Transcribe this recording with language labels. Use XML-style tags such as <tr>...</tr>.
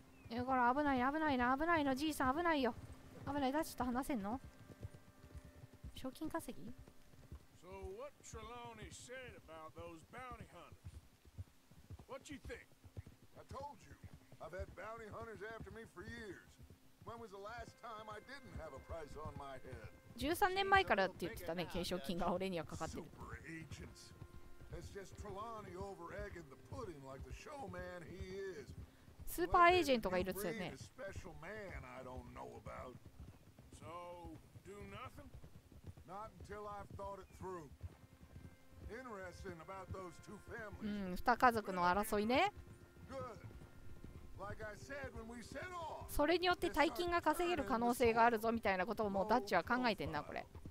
<ja>え、これ危ない危ないな、危ないの、じいさん危ないよ。危ない、ダッチと話せんの？賞金稼ぎ？</ja> <en>So what Trelawney said about those bounty hunters? What you think? I told you, I've had bounty hunters after me for years. When was the last time I didn't have a price on my head?</en> <ja>13年前からって言ってたね、懸賞金が俺にはかかってる。</ja> <en>Super agents. It's just Trelawney over egging the pudding like the showman he is.</en> <ja>スーパーエージェントがいるっつよね。</ja> <en>A special man I don't know about. So, do nothing? Not until I've thought it through. Interesting about those two families.</en> <ja>二家族の争いね。</ja> <en>Good. Like I said, when we set off.</en> <ja>それによって大金が稼げる可能性があるぞみたいなことをもうダッチは考えてんな、これ。</ja>